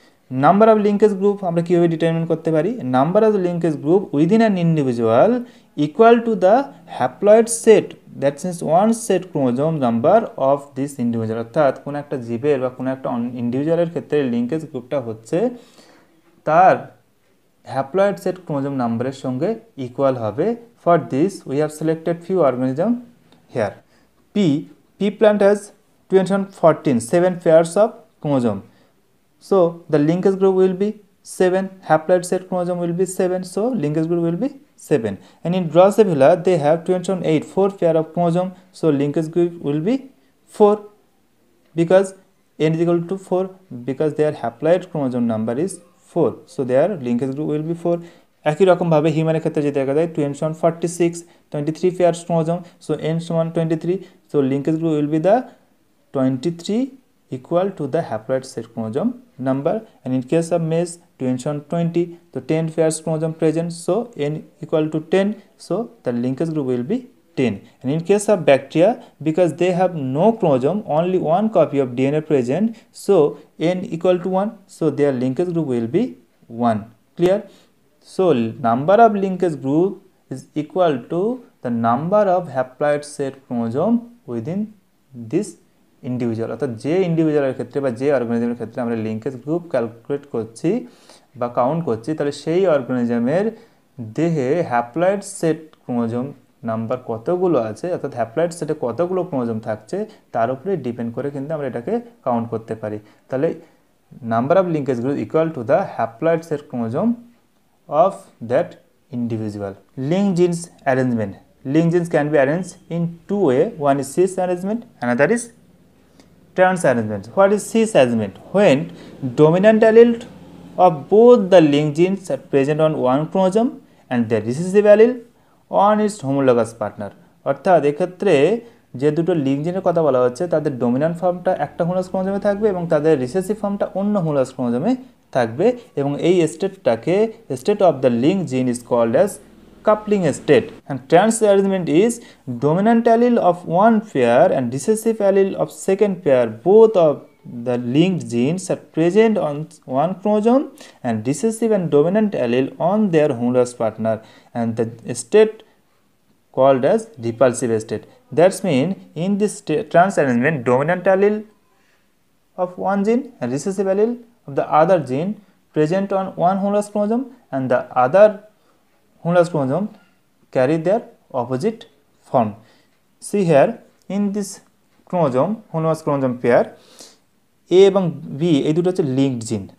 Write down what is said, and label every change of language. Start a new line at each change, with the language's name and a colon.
English: Number of linkage group আমরা কীভাবে determine করতে পারি? Number of linkage group within an individual equal to the haploid set, that means one set chromosome number of this individual,
Bangla: অর্থাৎ কোনো একটা জীবের বা কোনো একটা ইন্ডিভিজুয়ালের ক্ষেত্রে লিঙ্কেজ গ্রুপটা হচ্ছে তার হ্যাপ্লয়েড সেট ক্রোমোজোম নাম্বারের সঙ্গে ইকুয়াল হবে,
English: For this, we have selected few organisms here. Pea plant has 214, 7 pairs of chromosome. So the linkage group will be 7, haploid set chromosome will be 7, so linkage group will be 7. And in Drosophila, they have 208, 4 pair of chromosome, so linkage group will be 4, because n is equal to 4, because their haploid chromosome number is 4, so their linkage group will be 4.
Bangla: একই রকম ভাবে হিউম্যানের ক্ষেত্রে যদি দেখা যায়
English: 2N46 23 pairs chromosome, so N23, so linkage group will be the 23 equal to the haploid set chromosome number. And in case of mess 2N20, তো 10 pairs chromosome present, so N equal to 10, so the linkage group will be 10। And in case of bacteria, because they have no chromosome, only one copy of DNA present, so N equal to 1, so their linkage group will be 1। Clear? So number of linkage group is equal to the number of haploid set chromosome within this individual.
Bangla: অর্থাৎ যে ইন্ডিভিজুয়ালের ক্ষেত্রে বা যে অর্গানিজমের ক্ষেত্রে আমরা linkage group calculate করছি বা count করছি, তাহলে সেই অর্গানিজমের দেহে হ্যাপ্লয়েড সেট ক্রোমোজোম নাম্বার কতগুলো আছে, অর্থাৎ হ্যাপ্লয়েড সেটে কতগুলো ক্রোমোজোম থাকছে, তার উপরে ডিপেন্ড করে কিন্তু আমরা এটাকে কাউন্ট করতে পারি।
English: তাহলে number of linkage group equal to the haploid set chromosome of that individual. Link genes arrangement. Link genes can be arranged in two ways. One is cis arrangement, another is trans arrangement. What is cis arrangement? When dominant allele of both the link genes are present on one chromosome and the recessive allele on its homologous partner.
Bangla: অর্থাৎ এক্ষেত্রে যে দুটো link জিনের কথা বলা হচ্ছে তাদের dominant ফর্মটা একটা হোমোলগাস ক্রোমোজোমে থাকবে এবং তাদের রিসেসিভ ফর্মটা অন্য হোমোলগাস ক্রোমোজোমে থাকবে, এবং এই স্টেটটাকে
English: State of the link gene is called as coupling state. And trans arrangement is dominant allele of one pair and recessive allele of second pair, both of the link genes are present on one chromosome and recessive and dominant allele on their homologous partner, and the state called as repulsive state. That's mean in this trans arrangement, dominant allele of one gene and recessive allele of the other gene present on one homologous chromosome, and the other homologous chromosome carry their opposite form. See here, in this chromosome, homologous chromosome pair, A and B, A dot is a linked gene.